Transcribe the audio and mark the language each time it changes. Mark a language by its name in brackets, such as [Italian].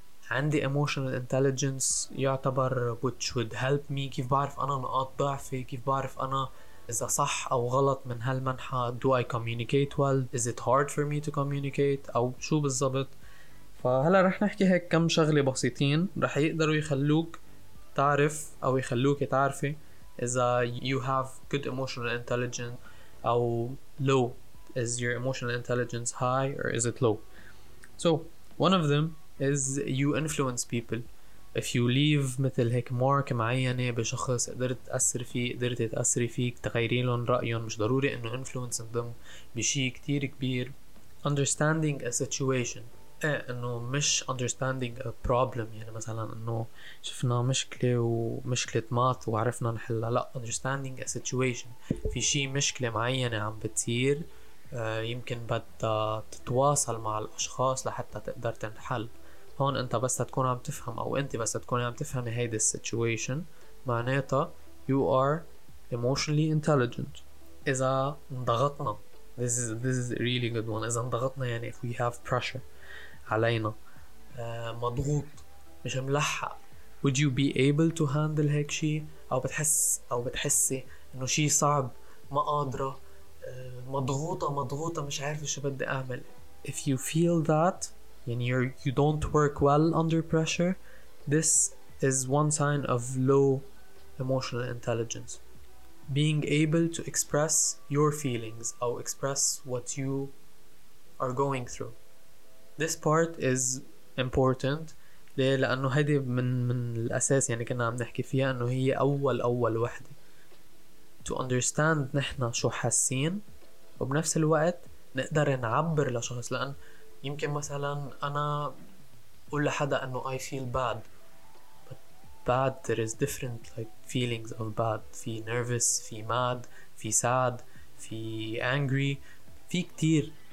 [Arabic] عندي emotional intelligence يعتبر [English] which would help me، [Arabic] كيف بعرف أنا نقاط ضعفي، كيف بعرف أنا إذا صح أو غلط من هالمنحة، [English] do I communicate well، is it hard for me to communicate [Arabic] أو شو بالضبط؟ فهلا رح نحكي هيك كم شغلة بسيطين رح يقدروا يخلوك تعرف أو يخلوك تعرفي إذا [English] you have good emotional intelligence [Arabic] أو low. [English] Is your emotional intelligence high or is it low? So one of them is you influence people. If you leave [Arabic] مثل هيك مارك معينة بشخص قدرت تأثر فيه، قدرت تأثري فيك تغيري لهم رأيهم، مش ضروري انه [English] influencing them [Arabic] بشي كتير كبير. [English] Understanding a situation، [Arabic] انه مش [English] understanding a problem، [Arabic] يعني مثلا انه شفنا مشكلة ومشكلة مات وعرفنا نحلها، لا [English] understanding a situation، [Arabic] في شي مشكلة معينة عم بتصير يمكن بدها تتواصل مع الأشخاص لحتى تقدر تنحل. هون أنت بس تكون عم تفهم أو أنت بس تكون عم تفهم هاي دي situation معناتها [English] you are emotionally intelligent. [Arabic] إذا انضغطنا [English] this is really good one، [Arabic] إذا انضغطنا يعني [English] if we have pressure [Arabic] علينا مضغوط مش ملحق، [English] would you be able to handle [Arabic] هيك شيء، أو بتحسي إنه شيء صعب ما قادرة مضغوطة مش عارف شو بدي أعمل. [English] If you feel that [Arabic] يعني [English] you don't work well under pressure, this is one sign of low emotional intelligence. Being able to express your feelings [Arabic] أو [English] express what you are going through. This part is important. [Arabic] ليه؟ لأنه هذه من الأساس يعني كنا عم نحكي فيها أنه هي أول وحدة. [English] To understand [Arabic] نحنا شو حاسين وبنفس الوقت نقدر نعبر لشخص، لأن يمكن مثلا أنا أقول لحدا أنه [English] I feel bad but bad there is different like feelings of bad، [Arabic] في nervous، في mad، في sad، في angry، في كتير.